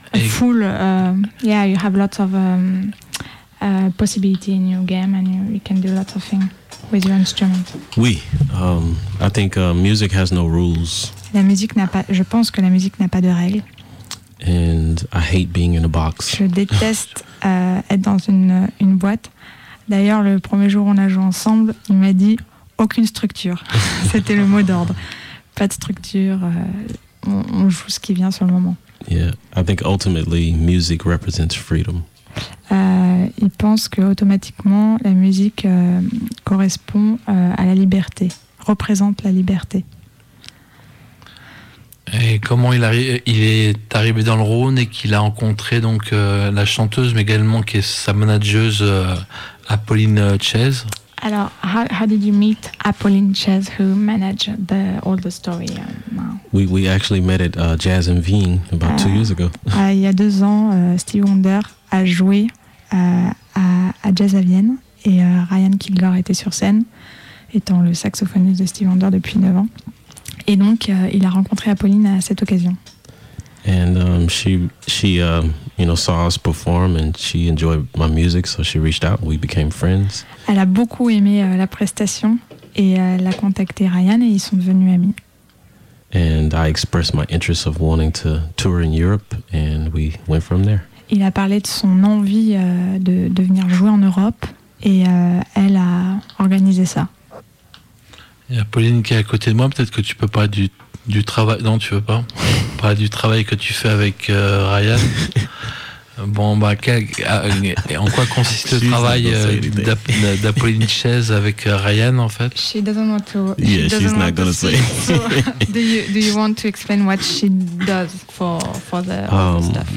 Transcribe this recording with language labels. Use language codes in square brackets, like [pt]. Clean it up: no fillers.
[en] Full, you have lots of possibility in your game and you can do lots of things with your instrument. Oui, I think music has no rules. [fr] Je pense que la musique n'a pas de règles. [en] And I hate being in a box. [fr] Je déteste être dans une boîte. D'ailleurs, le premier jour où on a joué ensemble, il m'a dit aucune structure. C'était le mot d'ordre. Pas de structure, on joue ce qui vient sur le moment. [en] Yeah, I think ultimately music represents freedom. [fr] Il pense que automatiquement la musique correspond à la liberté, représente la liberté. Et comment il est arrivé dans le Rhône et qu'il a rencontré donc la chanteuse mais également qui est sa manageuse Apolline Chez. [en] Alors, how did you meet Apolline Chez, who managed the all the story? We actually met at Jazz in Vienne about 2 years ago. [fr] Il y a 2 ans, Stevie Wonder a joué à Jazz à Vienne et Ryan Kilgore était sur scène, étant le saxophoniste de Stevie Wonder depuis 9 ans. Et donc, il a rencontré Apolline à cette occasion. [en] And she saw us perform and she enjoyed my music, so she reached out. We became friends. [fr] Elle a beaucoup aimé la prestation et elle a contacté Ryan et ils sont devenus amis. [en] And I expressed my interest of wanting to tour in Europe and we went from there. [fr] Il a parlé de son envie de venir jouer en Europe et elle a organisé ça. Il y a Pauline qui est à côté de moi, peut-être que tu peux pas du travail, non tu veux pas, pas du travail que tu fais avec Ryan. Bon bah en quoi consiste le travail d'Apolline Chez avec Ryan en fait? [en] She doesn't want to. Yeah, she she's not gonna to say. So, do you want to explain what she does for the stuff?